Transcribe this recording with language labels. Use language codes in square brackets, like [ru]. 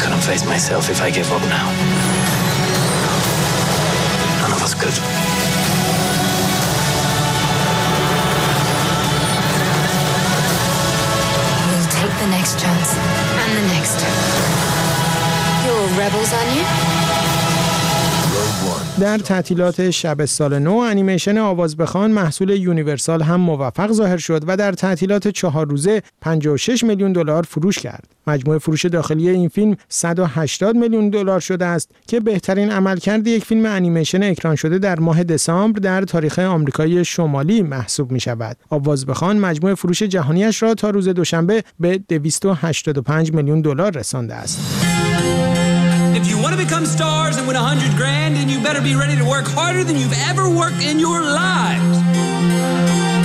[en] Face myself if I give up now. None of us could. We'll take the next chance and the next. You're rebels, aren't you? [fa] در تعطیلات شب سال نو انیمیشن آواز بخوان محصول یونیورسال هم موفق ظاهر شد و در تعطیلات 4 روزه 56 میلیون دلار فروش کرد. مجموع فروش داخلی این فیلم 180 میلیون دلار شده است که بهترین عملکرد یک فیلم انیمیشن اکران شده در ماه دسامبر در تاریخ آمریکای شمالی محسوب می شود. آواز بخوان مجموع فروش جهانیش را تا روز دوشنبه به 285 میلیون دلار رسانده است. [en] If you want to become stars and win $100,000, then you better be ready to work harder than you've ever worked in your lives.